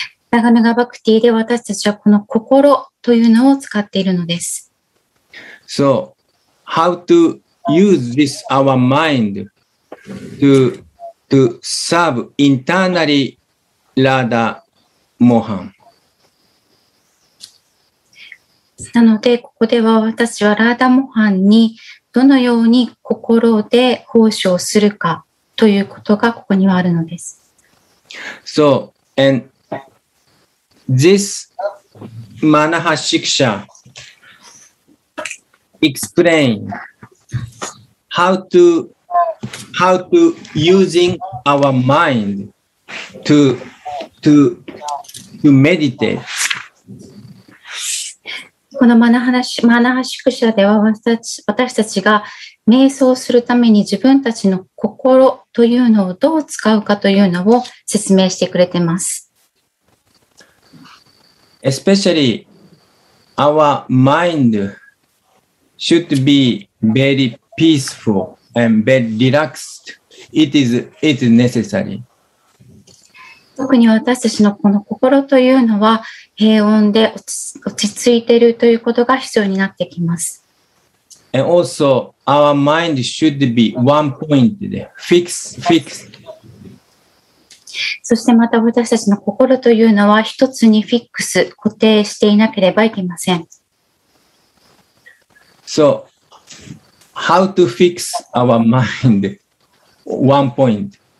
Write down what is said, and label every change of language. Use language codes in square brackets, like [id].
[ja] ラガヌガバクティで私たちはこの心というのを使っているのです。 [en] So, how to use this our mind to serve internally? [ja] ラーダモハン。なのでここでは私はラーダモハンにどのように心で奉仕をするかということがここにはあるのです。 [en] So and this Manaha Shiksha explain how to using our mind to meditate. [ja] このマナハシクシャでは私たちが瞑想するために自分たちの心というのをどう使うかというのを説明してくれてます。 [en] Especially our mind should be very peaceful and very relaxed. It is necessary. [ja] 特に私たちのこの心というのは平穏で落ち着いているということが必要になってきます。 [en] And also, our mind should be one point there. Fixed. [ja] そしてまた私たちの心というのは一つにフィックス、固定していなければいけません。 [en] So, how to fix our mind? One point.